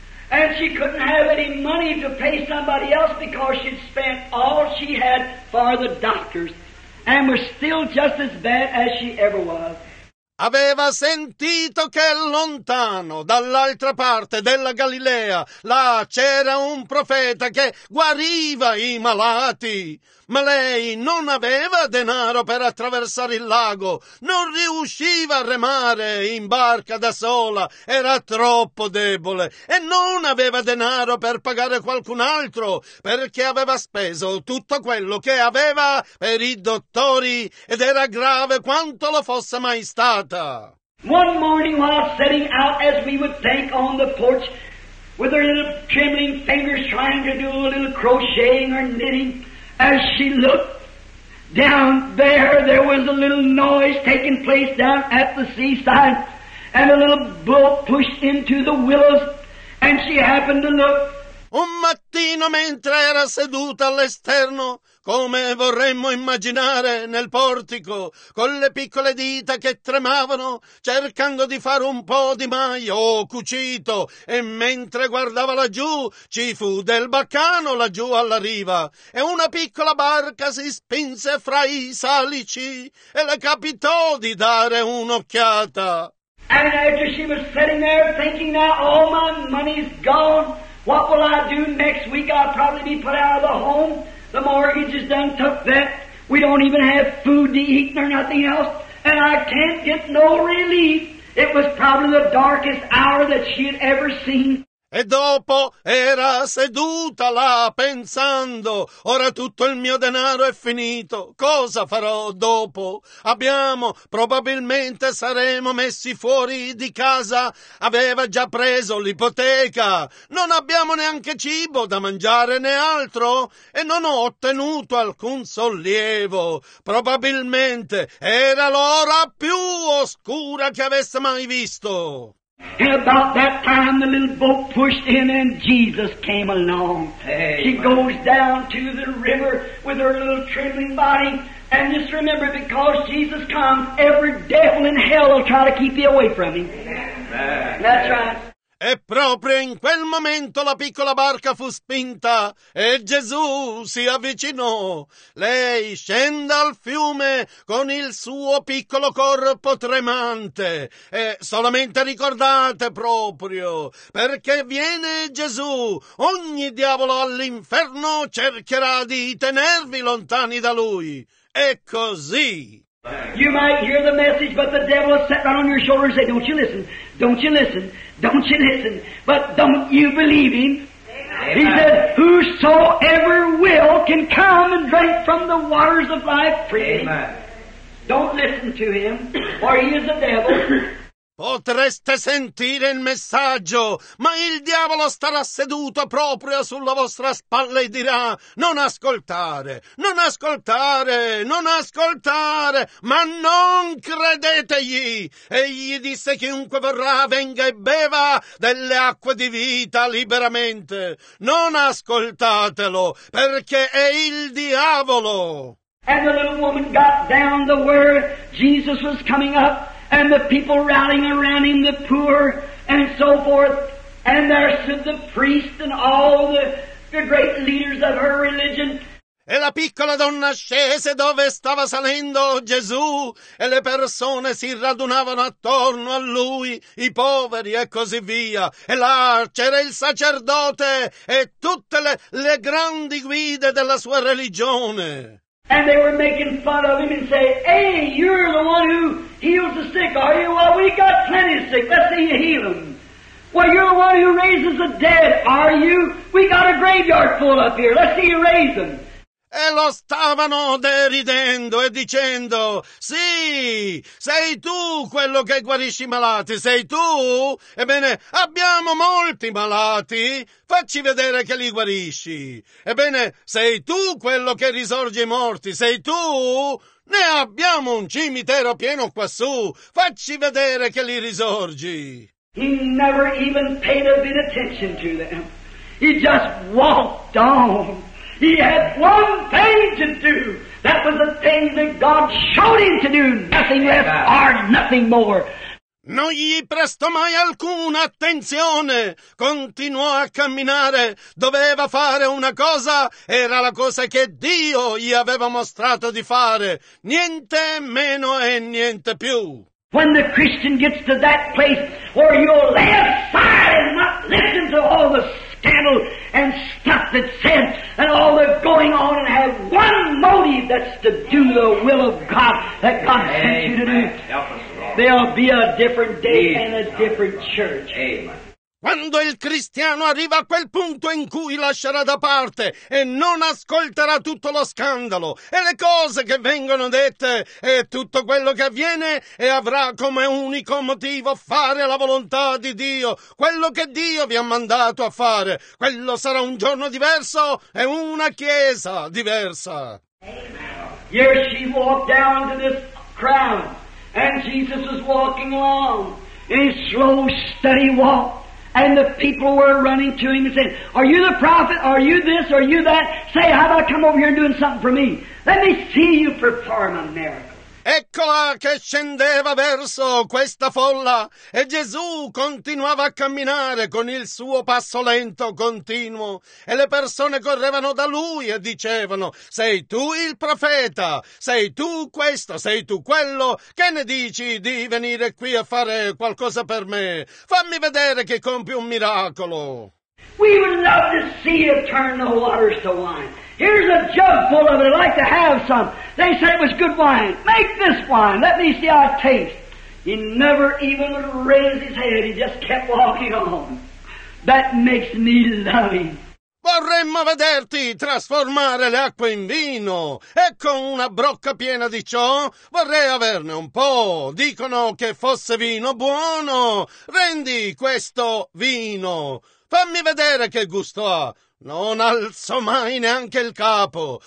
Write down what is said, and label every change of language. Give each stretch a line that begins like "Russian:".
English: And she couldn't have any money to pay somebody else because she'd spent all she had for the doctors and was still just as bad as she ever was.
Italian: Aveva sentito che lontano, dall'altra parte della Galilea, là c'era un profeta che guariva i malati. Ma lei non aveva denaro per attraversare il lago, non riusciva a remare in barca da sola, era troppo debole, e non aveva denaro per pagare qualcun altro, perché aveva speso tutto quello che aveva per i dottori, ed era grave quanto lo fosse mai stata.
English: One morning while setting out as we would think on the porch, with her little trembling fingers trying to do a little crocheting or knitting, as she looked down there, there was a little noise taking place down at the seaside, and a little boat pushed into the willows, and she happened to look.
Italian: Un mattino, mentre era seduta all'esterno, come vorremmo immaginare, nel portico, con le piccole dita che tremavano, cercando di fare un po' di maio cucito, e mentre guardava laggiù, ci fu del baccano laggiù alla riva, e una piccola barca si spinse fra i salici, e le capitò di dare un'occhiata.
English: And after she was sitting there thinking, now all my money's gone, what will I do next week? I'll probably be put out of the home. The mortgage is done, took that. We don't even have food to eat or nothing else. And I can't get no relief. It was probably the darkest hour that she had ever seen.
Italian: E dopo era seduta là pensando, ora tutto il mio denaro è finito, cosa farò dopo? Abbiamo, probabilmente saremo messi fuori di casa, aveva già preso l'ipoteca, non abbiamo neanche cibo da mangiare né altro e non ho ottenuto alcun sollievo. Probabilmente era l'ora più oscura che avesse mai visto.
English: And about that time the little boat pushed in and Jesus came along. Amen. She goes down to the river with her little trembling body. And just remember, because Jesus comes, every devil in hell will try to keep you away from him. Amen. That's right.
Italian: E proprio in quel momento la piccola barca fu spinta e Gesù si avvicinò. Lei scende al fiume con il suo piccolo corpo tremante. E solamente ricordate proprio, perché viene Gesù, ogni diavolo all'inferno cercherà di tenervi lontani da lui. E così.
English: You might hear the message, but the devil will sit right on your shoulder and say, don't you listen, don't you listen, don't you listen, but don't you believe him. Amen. He said, whosoever will can come and drink from the waters of life freely. Amen. Don't listen to him, for he is a devil.
Italian: Potreste sentire il messaggio, ma il diavolo starà seduto proprio sulla vostra spalla e dirà: non ascoltare, non ascoltare, non ascoltare, ma non credetegli. Egli disse: chiunque verrà, venga e beva delle acque di vita liberamente. Non ascoltatelo, perché è il diavolo.
English: And the little woman got down to where Jesus was coming up, and the people rallying around him, the poor, and so forth. And there stood the priest and all the great leaders of her religion.
Italian: E la piccola donna scese dove stava salendo Gesù, e le persone si radunavano attorno a lui, i poveri e così via. E là c'era il sacerdote e tutte le grandi guide della sua religione.
English: And they were making fun of him and say, hey, you're the one who heals the sick, are you? Well, we got plenty of sick. Let's see you heal them. Well, you're the one who raises the dead, are you? We got a graveyard full up here. Let's see you raise them.
Italian: E lo stavano deridendo e dicendo, sì, sei tu quello che guarisci i malati, sei tu? Ebbene, abbiamo molti malati, facci vedere che li guarisci. Ebbene, sei tu quello che risorge i morti, sei tu? Ne abbiamo un cimitero pieno quassù, facci vedere che li risorgi.
English: He never even paid a bit attention to them. He just walked on. He had one thing to do. That was the thing that God showed him to do. Nothing less or nothing more.
Italian: Non gli prestò mai alcuna attenzione, continuò a camminare, doveva fare una cosa, era la cosa che Dio gli aveva mostrato di fare, niente meno e niente più.
English: When the Christian gets to that place where you'll lay aside and not listen to all the scandal and stuff that's said and all that's going on and have one motive that's to do the will of God that God Amen. Sent you to do, help us, Lord. There'll be a different day Amen. And a different church. Amen.
Italian: Quando il cristiano arriva a quel punto in cui lascerà da parte e non ascolterà tutto lo scandalo e le cose che vengono dette e tutto quello che avviene e avrà come unico motivo fare la volontà di Dio, quello che Dio vi ha mandato a fare, quello sarà un giorno diverso e una chiesa diversa.
English: Here she walked down to this crowd and Jesus was walking along in a slow, steady walk. And the people were running to him and saying, are you the prophet? Are you this? Are you that? Say, how about come over here and doing something for me? Let me see you perform a miracle.
Italian: Eccola che scendeva verso questa folla e Gesù continuava a camminare con il suo passo lento continuo e le persone correvano da lui e dicevano sei tu il profeta, sei tu questo, sei tu quello, che ne dici di venire qui a fare qualcosa per me? Fammi vedere che compi un miracolo.
English: We would love to see you turn the waters to wine. Here's a jug full of it. I'd like to have some. They said it was good wine. Make this wine. Let me see how it tastes. He never even would raise his head. He just kept walking on. That makes me love him.
Italian: Vorremmo vederti trasformare le acque in vino. E con una brocca piena di ciò vorrei averne un po'. Dicono che fosse vino buono. Vendi questo vino. Fammi vedere che gusto ha. Non alzò mai neanche il capo.